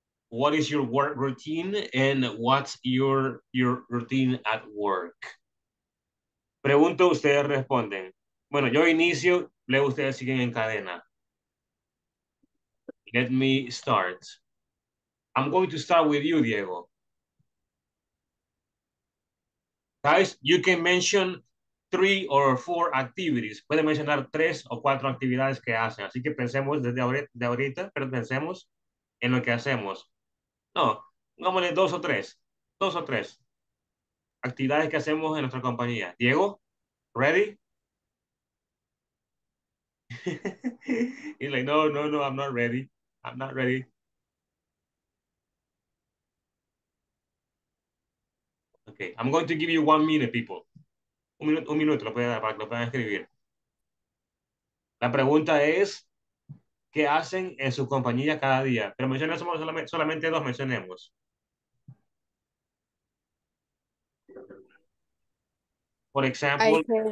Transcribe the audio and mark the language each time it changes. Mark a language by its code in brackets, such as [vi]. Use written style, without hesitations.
[en] what is your work routine and what's your routine at work? [es] Pregunto, ustedes responden. Bueno, yo inicio, luego ustedes siguen en cadena. [en] Let me start. I'm going to start with you, Diego. Guys, you can mention 3 or 4 activities. [es] Puede mencionar 3 o 4 actividades que hacen. Así que pensemos desde ahorita, pero pensemos en lo que hacemos. No, pongámosle 2 o 3. 2 o 3 actividades que hacemos en nuestra compañía. [en] Diego, ready? He's like, no, no, no, I'm not ready. I'm not ready. Okay, I'm going to give you 1 minute, people. [es] Un minuto, lo puede dar para que lo puedan escribir. La pregunta es, ¿qué hacen en su compañía cada día? Pero mencionemos solamente 2, mencionemos. [en] For example,